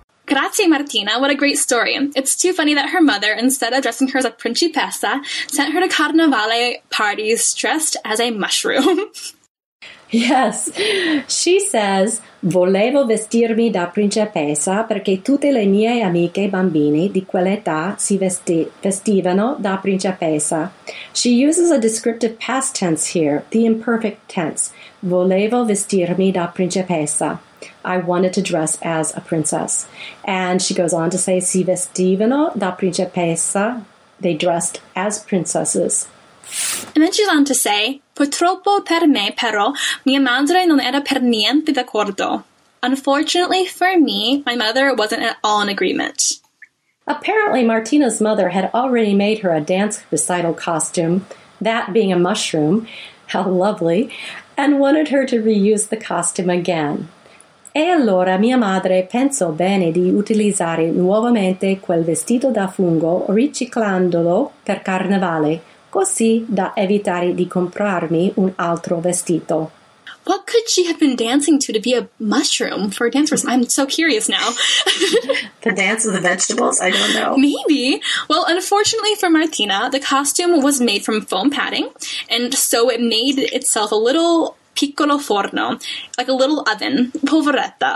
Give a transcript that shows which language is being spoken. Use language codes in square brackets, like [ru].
[en] Grazie Martina, what a great story. It's too funny that her mother, instead of dressing her as a principessa, sent her to carnevale parties dressed as a mushroom. Yes, she says, [it] volevo vestirmi da principessa perché tutte le mie amiche bambine di quell'età si vestivano da principessa. [en] She uses a descriptive past tense here, the imperfect tense. [it] Volevo vestirmi da principessa. [en] I wanted to dress as a princess. And she goes on to say, [it] si vestivano da principessa. [en] They dressed as princesses. And then she's on to say, [it] purtroppo per me, però, mia madre non era per niente d'accordo. [en] Unfortunately for me, my mother wasn't at all in agreement. Apparently, Martina's mother had already made her a dance recital costume, that being a mushroom, how lovely, and wanted her to reuse the costume again. [it] E allora mia madre pensò bene di utilizzare nuovamente quel vestito da fungo riciclandolo per carnevale, così da evitare di comprarmi un altro vestito. [en] What could she have been dancing to be a mushroom for a dance? I'm so curious now. The dance of the vegetables? I don't know. Maybe. Well, unfortunately for Martina, the costume was made from foam padding, and so it made itself a little [it] piccolo forno, [en] like a little oven. Poveretta.